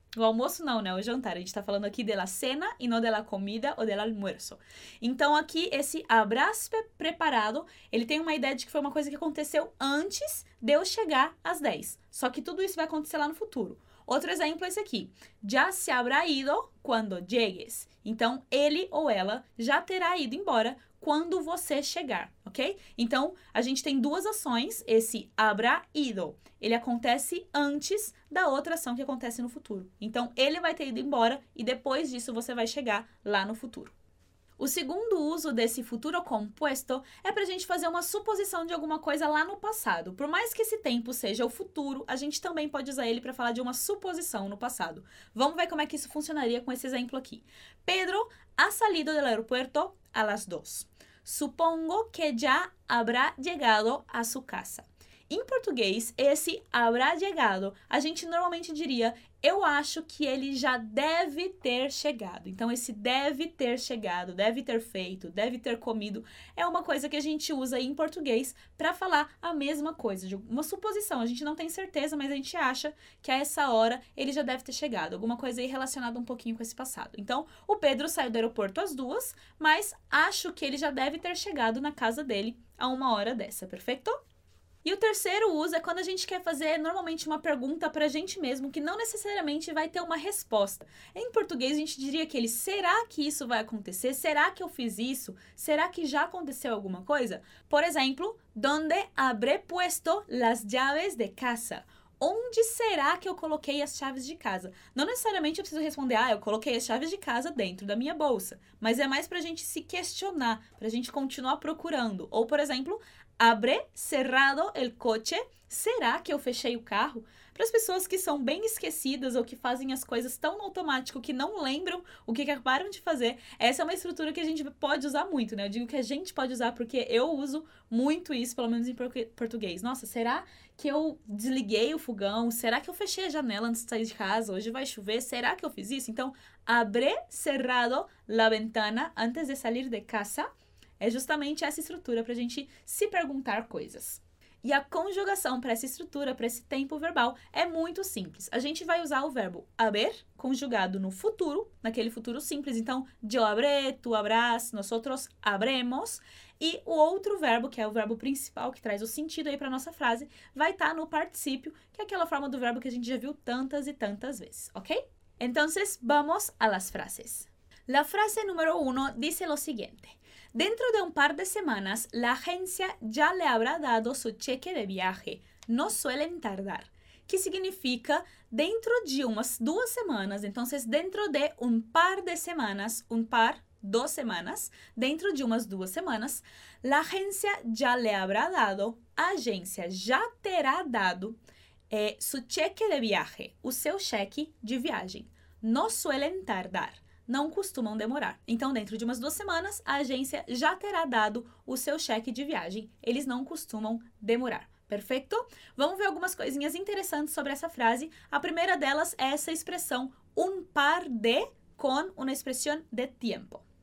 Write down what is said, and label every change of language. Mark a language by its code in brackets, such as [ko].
[pt] O almoço não, né? O jantar. A gente está falando aqui [es] de la cena [pt] e não [es] de la comida [pt] ou [es] de la almuerzo. [pt] Então, aqui, esse [es] habrás preparado, [pt] ele tem uma ideia de que foi uma coisa que aconteceu antes de eu chegar às 10. Só que tudo isso vai acontecer lá no futuro. Outro exemplo é esse aqui. [es] Ya se habrá ido cuando llegues. [pt] Então, ele ou ela já terá ido embora quando você chegar, ok? Então, a gente tem duas ações, esse [es] habrá ido. [pt] Ele acontece antes da outra ação que acontece no futuro. Então, ele vai ter ido embora e depois disso você vai chegar lá no futuro. O segundo uso desse futuro composto é para a gente fazer uma suposição de alguma coisa lá no passado. Por mais que esse tempo seja o futuro, a gente também pode usar ele para falar de uma suposição no passado. Vamos ver como é que isso funcionaria com esse exemplo aqui. [es] Pedro ha salido del aeropuerto a las 2. Supongo que ya habrá llegado a su casa. [pt] Em português, esse [es] habrá llegado, [pt] a gente normalmente diria, eu acho que ele já deve ter chegado. Então, esse deve ter chegado, deve ter feito, deve ter comido, é uma coisa que a gente usa em português para falar a mesma coisa, de uma suposição. A gente não tem certeza, mas a gente acha que a essa hora ele já deve ter chegado. Alguma coisa aí relacionada um pouquinho com esse passado. Então, o Pedro saiu do aeroporto às 2, mas acho que ele já deve ter chegado na casa dele a uma hora dessa, perfeito? E o terceiro uso é quando a gente quer fazer normalmente uma pergunta para a gente mesmo que não necessariamente vai ter uma resposta. Em português, a gente diria que ele será que isso vai acontecer? Será que eu fiz isso? Será que já aconteceu alguma coisa? Por exemplo, [es] ¿dónde habré puesto las llaves de casa? [pt] Onde será que eu coloquei as chaves de casa? Não necessariamente eu preciso responder, eu coloquei as chaves de casa dentro da minha bolsa. Mas é mais para a gente se questionar, para a gente continuar procurando. Ou, por exemplo, [es] habré cerrado el coche? [pt] Será que eu fechei o carro? Para as pessoas que são bem esquecidas ou que fazem as coisas tão no automático que não lembram o que acabaram de fazer, essa é uma estrutura que a gente pode usar muito, né? Eu digo que a gente pode usar porque eu uso muito isso, pelo menos em português. Nossa, será que eu desliguei o fogão? Será que eu fechei a janela antes de sair de casa? Hoje vai chover? Será que eu fiz isso? Então, [es] habré cerrado la ventana antes de salir de casa? [pt] É justamente essa estrutura para a gente se perguntar coisas. E a conjugação para essa estrutura, para esse tempo verbal, é muito simples. A gente vai usar o verbo haber, conjugado no futuro, naquele futuro simples. Então, [es] yo habré, tú habrás, nosotros habremos. [pt] E o outro verbo, que é o verbo principal, que traz o sentido aí para a nossa frase, vai estar no particípio, que é aquela forma do verbo que a gente já viu tantas e tantas vezes, ok? Então, [es] vamos a las frases. La frase número 1 dice lo siguiente. Dentro de un par de semanas, la agencia ya le habrá dado su cheque de viaje. No suelen tardar. Que significa dentro de unas 2 semanas, entonces dentro de un par de semanas, un par, 2 semanas, dentro de unas 2 semanas, la agencia ya le habrá dado, agencia ya [pt] terá dado [es] su cheque de viaje, [pt] o seu cheque de viagem. [es] No suelen tardar. [pt] Não costumam demorar. Então, dentro de umas 2 semanas, a agência já terá dado o seu cheque de viagem. Eles não costumam demorar. Perfeito? Vamos ver algumas coisinhas interessantes sobre essa frase. A primeira delas é essa expressão [es] un par de con una expresión de tiempo.